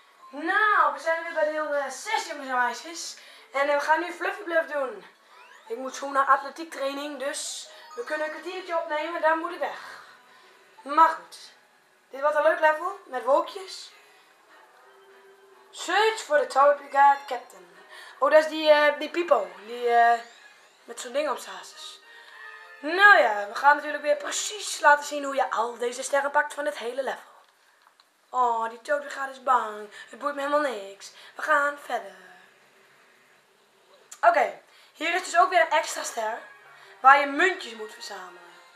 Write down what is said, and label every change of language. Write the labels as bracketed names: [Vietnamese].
[Dutch] Nou, we zijn weer bij deel 6, jongens en meisjes. En we gaan nu Fluffy Bluff doen. Ik moet zo naar atletiek training, dus we kunnen een kwartiertje opnemen, dan moet ik weg. Maar goed, dit was een leuk level met wolkjes. [English] Search for the Tower Brigade Captain. [Dutch] Oh, dat is die Pipo, die met zo'n ding op staat. Nou ja, we gaan natuurlijk weer precies laten zien hoe je al deze sterren pakt van het hele level. Oh, die Toad Brigade is bang. Het boeit me helemaal niks. We gaan verder. Oké, hier is dus ook weer een extra ster waar je muntjes moet verzamelen.